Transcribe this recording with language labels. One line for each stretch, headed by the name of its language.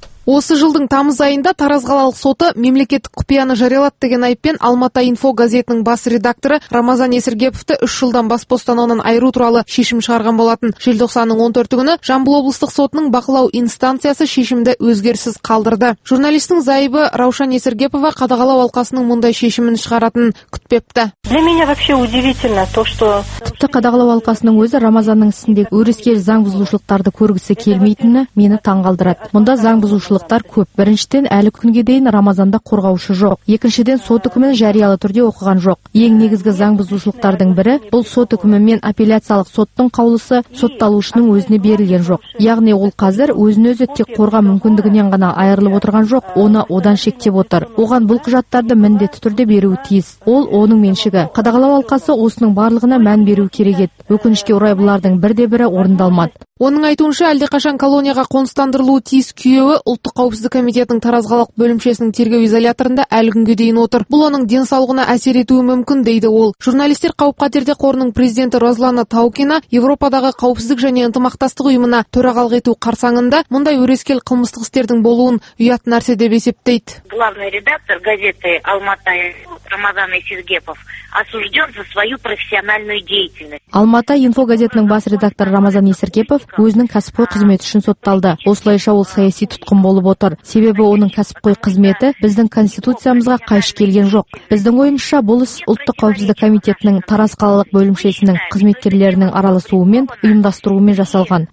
Kazakh: Осы жылдың тамыз айында Тараз қалалық соты мемлекеттік құпияны жариялады деген айыппен Алматы Инфо газетінің бас редакторы Рамазан Есіргеповті 3 жылдан бас бостандығынан айыру туралы шешім шығарған болатын. Желтоқсанның 14-ті күні Жамбыл облыстық сотының бақылау инстанциясы шешімді өзгерсіз қалдырды. Журналистің зайыбы Раушан Есіргепова қадағалау алқасының мұндай шешімін шығаратынын күтпепті.
Russian: Для меня вообще удивительно то, что
Kazakh: тіпті қадағалау алқасының өзі Рамазанның ісінде өрескел заң бұзушылықтарды көргісі келмейтіні мені таңғалдырады. Мұнда заң бұзушылықтар көп. Біріншіден, әлі күнге дейін Рамазанда қорғаушы жоқ. Екіншіден, сот үкімін жариялы түрде оқыған жоқ. Ең негізгі заң бұзушылықтардың бірі, бұл сот үкімі мен апелляциялық соттың қаулысы сотталушының өзіне берілген жоқ. Яғни ол қазір өзін-өзі тек қорға мүмкіндігінен ғана айырылып отырған жоқ, оны одан шектеп отыр. Оған бұл құжаттарды міндетті түрде беруі тиіс. Ол оның меншігі. Қадағалау алқасы осының барлығына мән беру керек еді. Өкінішке орай бұлардың бірде-бірі орындалмады. Оның айтуынша, әлдеқашан колонияға қоныстандырылуы тиіс күйеуі Ұлттық қауіпсіздік комитетінің Тараз қалалық бөлімшесінің тергеу изоляторында әлі күнге дейін отыр. Бұл оның денсаулығына әсер етуі мүмкін, дейді ол. Журналистер қауіп-қатерде қорының президенті Розлана Таукина Еуропадағы қауіпсіздік және ынтымақтастық ұйымына төрағалық ету қарсаңында мұндай өрескел қылмыстық істердің болуын ұят нәрсе деп есептейді.
Russian: Главный редактор газеты Алматы Рамазан Есіргепов осужден за свою профессиональную деятельность.
Kazakh: Алматы Инфо газетінің бас редакторы Рамазан Есіргепов өзінің кәсіпқой қызметі үшін сотталды. Осылайша ол саяси тұтқын болып отыр. Себебі оның кәсіпқой қызметі біздің конституциямызға қайшы келген жоқ. Біздің ойымызша бұл іс Ұлттық қауіпсіздік комитетінің Тараз қалалық бөлімшесінің қызметкерлерінің араласуымен, ұйымдастыруымен жасалған.